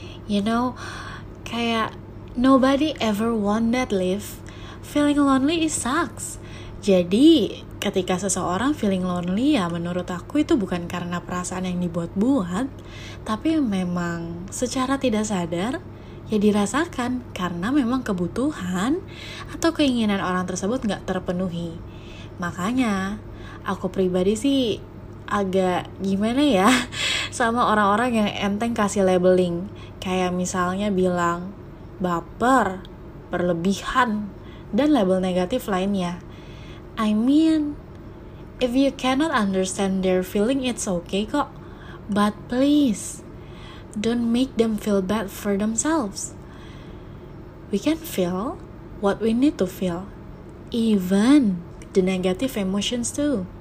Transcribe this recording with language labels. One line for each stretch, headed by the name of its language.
English: You know, kayak nobody ever want that live. Feeling lonely is sucks.
Indonesian: Jadi, ketika seseorang
English: feeling lonely,
Indonesian: ya menurut aku itu bukan karena perasaan yang dibuat-buat, tapi memang secara tidak sadar, ya dirasakan karena memang kebutuhan atau keinginan orang tersebut gak terpenuhi. Makanya, aku pribadi sih agak gimana ya sama orang-orang yang enteng kasih labeling. Kayak misalnya bilang baper, berlebihan, dan label negatif lainnya.
English: I mean, if you cannot understand their feeling, it's okay kok. But please, don't make them feel bad for themselves. We can feel what we need to feel, even the negative emotions too.